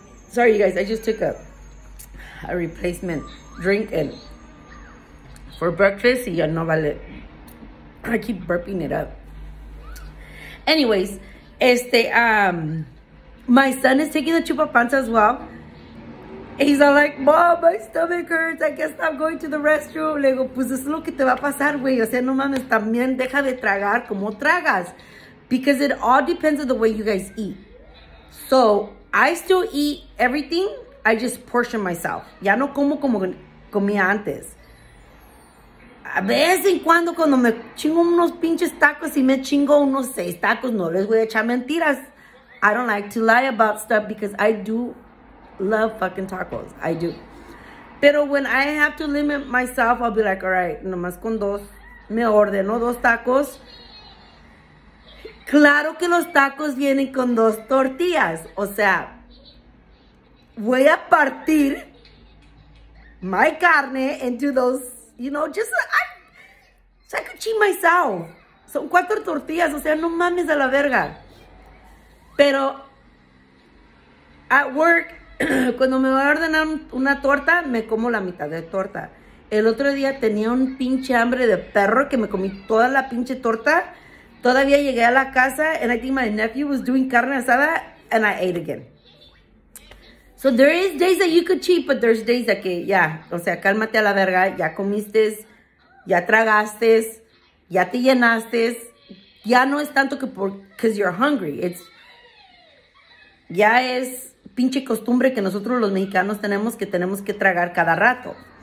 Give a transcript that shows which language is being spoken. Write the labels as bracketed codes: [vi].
[en] Sorry, you guys. I just took a replacement drink and for breakfast. [es] Y ya no vale. [en] I keep burping it up. Anyways, my son is taking the chupa panza as well. He's all like, Mom, my stomach hurts. I guess I'm going to the restroom. [es] Le digo, pues eso es lo que te va a pasar, güey. O sea, no mames, también deja de tragar como tragas. [en] Because it all depends on the way you guys eat. So, I still eat everything. I just portion myself. [es] Ya no como como comía antes. A vez en cuando, cuando me chingo unos pinches tacos y me chingo unos 6 tacos, no les voy a echar mentiras. [en] I don't like to lie about stuff because I do love fucking tacos. I do. Pero when I have to limit myself, I'll be like, all right, [es] nomás con 2. Me ordeno 2 tacos. Claro que los tacos vienen con 2 tortillas. O sea, voy a partir [en] my carne into those, you know, just, so I could cheat myself. [es] Son 4 tortillas, o sea, no mames a la verga. Pero [en] at work, [es] cuando me voy a ordenar una torta, me como la mitad de torta. El otro día tenía un pinche hambre de perro que me comí toda la pinche torta. Todavía llegué a la casa, [en] and I think my nephew was doing carne asada, and I ate again. So there is days that [es] you could cheat, but there's days that que, yeah, o sea, cálmate a la verga, ya comiste, ya tragaste, ya te llenaste, ya no es tanto que por, [en] because you're hungry, it's, [es] ya es pinche costumbre que nosotros los mexicanos tenemos que tragar cada rato.